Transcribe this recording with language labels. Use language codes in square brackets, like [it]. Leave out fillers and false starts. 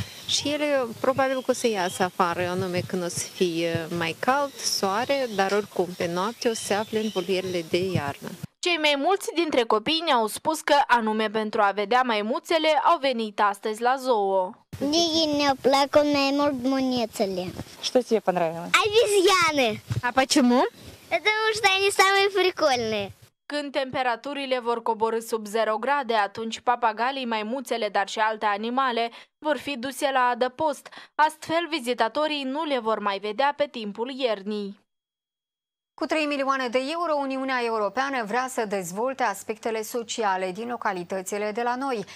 [ro] Și ele probabil că o să iasă afară, anume când o să fie mai cald, soare, dar oricum pe noapte o să se afle în volierile de iarnă. Cei mai mulți dintre copii ne-au spus că, anume pentru a vedea maimuțele, au venit astăzi la zoo. Mie ne plac mai mult monițele. Ce ți-e [ru] понравилось? Обезьяны. А почему? Потому что они самые прикольные. [ro] Când temperaturile vor cobori sub 0 grade, atunci papagalii, maimuțele, dar și alte animale vor fi duse la adăpost. Astfel, vizitatorii nu le vor mai vedea pe timpul iernii. Cu 3 milioane de euro, Uniunea Europeană vrea să dezvolte aspectele sociale din localitățile de la noi.